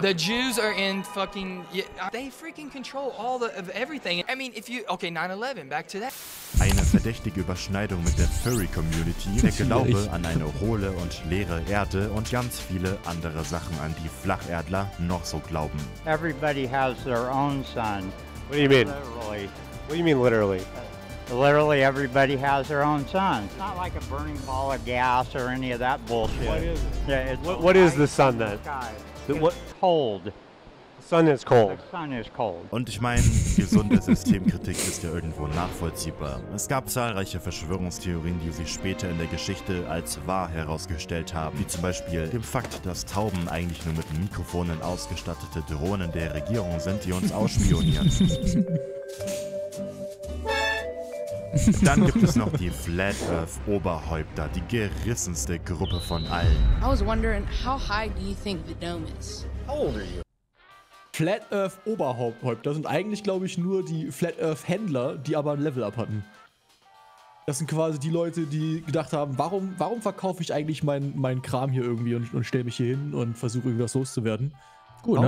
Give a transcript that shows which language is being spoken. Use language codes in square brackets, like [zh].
[en] The Jews are in fucking they freaking control all of everything. I mean, if you okay, 9/11, back to that. [de] Eine verdächtige Überschneidung mit der Furry Community, der Glaube an eine hohle und leere Erde und ganz viele andere Sachen, an die Flacherdler noch so glauben. [en] Everybody has their own sun. What do you mean? Literally. What do you mean literally? Literally everybody has their own sun. It's not like a burning ball of gas or any of that bullshit. What is it? Yeah, what is the sun then? It's cold. Sun is cold. The sun is cold. [de] Und ich meine, gesunde Systemkritik ist ja irgendwo nachvollziehbar. Es gab zahlreiche Verschwörungstheorien, die sich später in der Geschichte als wahr herausgestellt haben. Wie zum Beispiel dem Fakt, dass Tauben eigentlich nur mit Mikrofonen ausgestattete Drohnen der Regierung sind, die uns ausspionieren. Dann gibt es noch die Flat Earth Oberhäupter, die gerissenste Gruppe von allen. [en] I was wondering, how high do you think the dome is? How old are you? [de] Flat Earth Oberhäupter sind eigentlich, glaube ich, nur die Flat Earth Händler, die aber ein Level-Up hatten. Das sind quasi die Leute, die gedacht haben, warum verkaufe ich eigentlich meinen Kram hier irgendwie und stelle mich hier hin und versuche irgendwas loszuwerden? Gut,